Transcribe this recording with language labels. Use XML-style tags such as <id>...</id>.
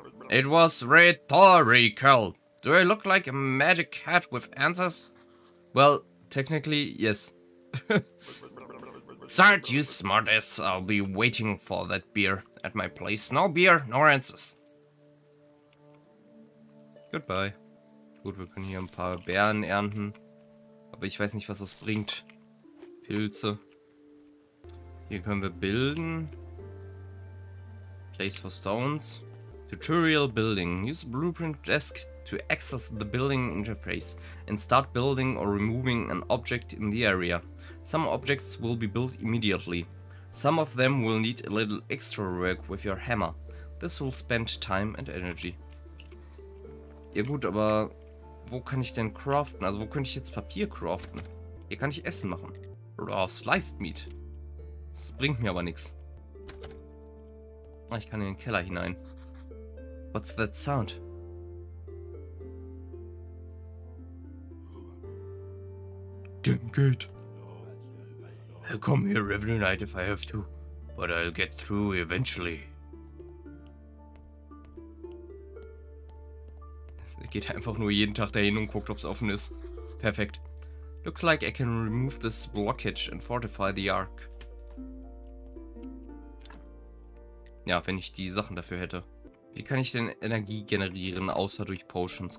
<en>It was rhetorical. Do I look like a magic cat with answers? Well, technically, yes. Start, you smartass. I'll be waiting for that beer at my place. No beer, no answers. Goodbye.</en> <de>Gut, wir können hier ein paar Beeren ernten. Aber ich weiß nicht, was das bringt. Pilze. Hier können wir bilden.</de> <en>Place for stones. Tutorial building. Use blueprint desk to access the building interface and start building or removing an object in the area. Some objects will be built immediately. Some of them will need a little extra work with your hammer. This will spend time and energy.</en> <de>Ja gut, aber wo kann ich denn craften? Also wo könnte ich jetzt Papier craften? Hier kann ich Essen machen.</de> <en>Raw sliced meat.</en> <de>Das bringt mir aber nichts. Ich kann in den Keller hinein.</de> <en>What's that sound? Gate. I'll come here every night if I have to, but I'll get through eventually.</en> <de>Er geht einfach nur jeden Tag dahin und guckt, ob es offen ist. Perfekt.</de> <en>Looks like I can remove this blockage and fortify the arc.</en> <de>Ja, wenn ich die Sachen dafür hätte. Wie kann ich denn Energie generieren, außer durch Potions?</de>